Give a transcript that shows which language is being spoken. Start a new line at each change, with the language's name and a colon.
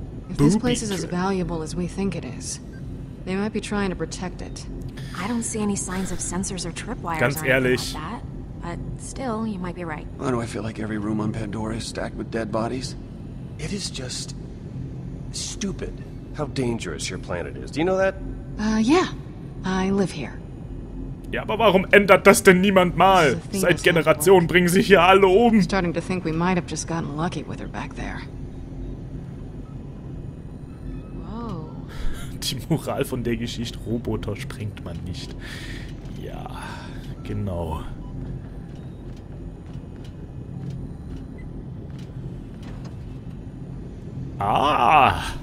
English: If this place is as valuable as we think it is, they might be trying to protect it. I don't see any signs of sensors or tripwires.
German: Ganz ehrlich.
English: Or anything like that. But still, you might be right. Why do I feel like every room on Pandora is stacked with dead bodies? It is just stupid how dangerous your planet is. Do you know that? Yeah. I live here.
German: Ja, aber warum ändert das denn niemand mal? Seit Generationen bringen sich hier alle um.
English: Starting to think we might have just gotten lucky with her back there.
German: Die Moral von der Geschichte, Roboter sprengt man nicht. Ja, genau. Ah!